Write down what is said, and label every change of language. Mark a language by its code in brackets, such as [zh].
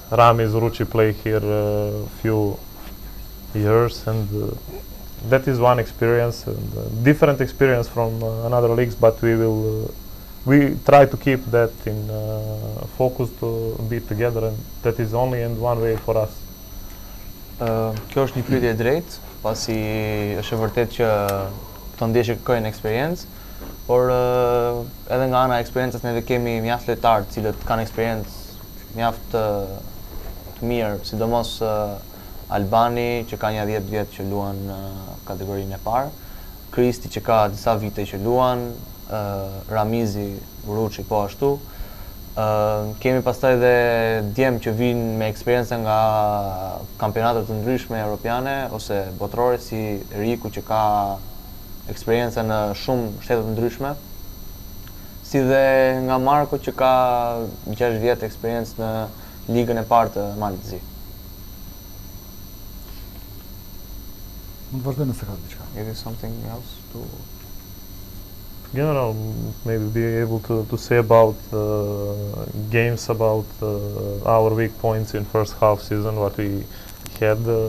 [en] Ramiz Ruchi played here a few years, and that is one experience, and different experience from another leagues, but we will we try to keep that in focus to be together, and that is only and one way for us. [sq] Kjo është një pyetje e drejtë, pasi është e vërtet që këto ndeshje kërkojnë eksperiencë, por edhe nga ana e eksperiencës ne kemi mjaft lojtarë të cilët kanë eksperiencë mjaft të mirë, sidomos Albani që ka një 10 vjet që luan në kategorinë e parë, Kristi që ka disa vite që luan, Ramizi, Ruçi po ashtu. Kemi pastaj edhe djem që vinë me eksperiencën nga kampionatet të ndryshme europiane ose botërore si Riku që ka eksperiencën në shumë shtetet ndryshme, si dhe nga Marko që ka 6 vjetë eksperiencë në ligën e partë të Malit Zi. Mund të vazhdoj nëse ka diçka. [en] Is there something else to... General, maybe be able to say about games, about our weak points in first half season, what we had.